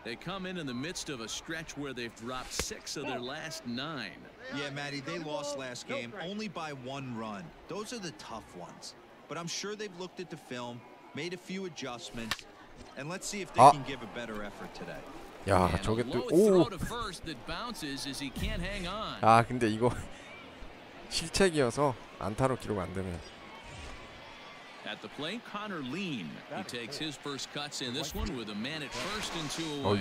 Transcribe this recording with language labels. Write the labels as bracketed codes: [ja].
[en] They come in the midst of a stretch where they've dropped six of their last nine. Yeah, Matty, they lost last game only by one run. Those are the tough ones. But I'm sure they've looked at the film, made a few adjustments, and let's see if they can give a better effort today. [ko] 야, 저게 또 오. 아, 근데 이거 실책이어서 안타로 기록 안 되네. [en] At the plate, Connor Lean. He takes his first cuts in this one with a man at first and two away.